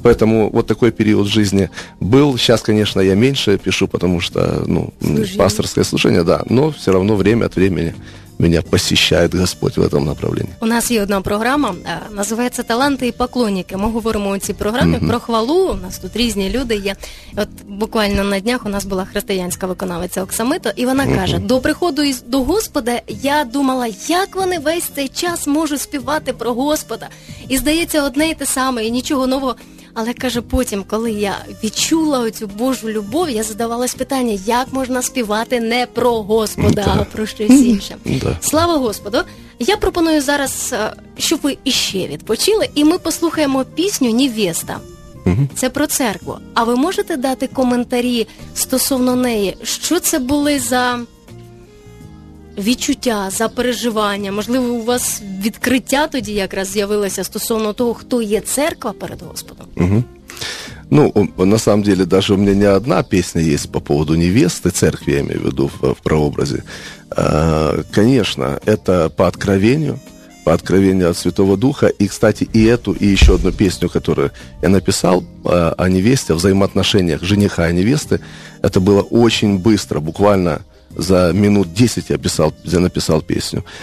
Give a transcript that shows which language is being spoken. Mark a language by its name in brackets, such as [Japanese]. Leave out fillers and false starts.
[Russian] Поэтому вот такой период в жизни был. Сейчас, конечно, я меньше пишу, потому что, ну, служение. Пасторское служение, да. Но все равно время от времени меня посещает Господь в этом направлении. У нас есть одна программа, называется «Таланты и поклонники». Мы говорим о [Ukrainian] цій программе про хвалу. У нас тут різні люди є. От буквально на днях у нас була християнська виконавиця Оксамито, і вона каже: «До приходу до Господа я думала, як вони весь цей час можуть співати про Господа. І здається одне і те саме, і нічого нового. Але, каже, потім, коли я відчула оцю Божу любов, я задавалась питання, як можна співати не про Господа, а про щось інше. Слава Господу! Я пропоную зараз, щоб ви іще відпочили, і ми послухаємо пісню «Невеста». Це про церкву. А ви можете дати коментарі стосовно неї? Що це були за відчуття, за переживання? Можливо, у вас відкриття тоді якраз з'явилося стосовно того, хто є церква перед Господом? Угу. [Russian] Ну, на самом деле, даже у меня не одна песня есть по поводу невесты, церкви, я имею в виду, в прообразе. Конечно, это по откровению от Святого Духа. И, кстати, и эту, и еще одну песню, которую я написал о невесте, о взаимоотношениях жениха и невесты, это было очень быстро, буквально за минут 10 я написал песню.